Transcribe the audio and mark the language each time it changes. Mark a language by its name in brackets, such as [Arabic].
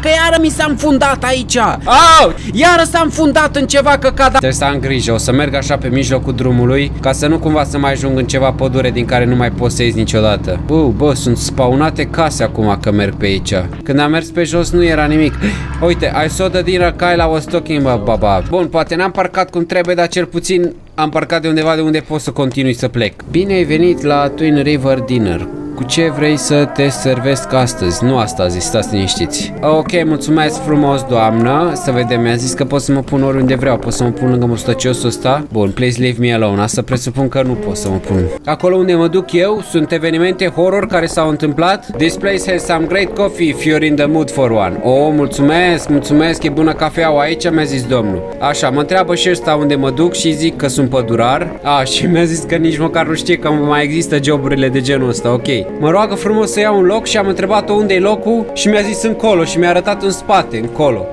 [Romanian] Că iară mi s-a înfundat aici. Oh, iară s-a înfundat în ceva căcat. Trebuie să am grijă, o să merg așa pe mijlocul drumului, ca să nu cumva să mai ajung în ceva pădure din care nu mai pot să ies niciodată. Bă, sunt spawnate case acum că merg pe aici. Când am mers pe jos nu era nimic. [English] Uite, I saw the deer Kyla was talking about, baba. [Romanian] Bun, poate n-am parcat cum trebuie, dar cel puțin am parcat de undeva de unde pot să continui să plec. Bine ai venit la Twin River Dinner. Cu ce vrei să te servesc astăzi? Nu astăzi, stați liniștiți. Ok, mulțumesc frumos, doamnă. Să vedem, mi-a zis că pot să mă pun oriunde vreau. Pot să mă pun lângă mustăciosul ăsta. [English] Bun, please leave me alone. [Romanian] Asta presupun că nu pot să mă pun. Acolo unde mă duc eu, sunt evenimente horror care s-au întâmplat. [English] This place has some great coffee if you're in the mood for one. [Romanian] Oh, mulțumesc, mulțumesc, e bună cafeaua aici, mi-a zis domnul. Așa, mă întreabă și ăsta unde mă duc și zic că sunt pădurar. Ah, și mi-a zis că nici măcar nu știe că mai există joburile de genul ăsta. Ok. Mă roagă frumos să iau un loc și am întrebat-o unde e locul și mi-a zis încolo și mi-a arătat în spate, încolo.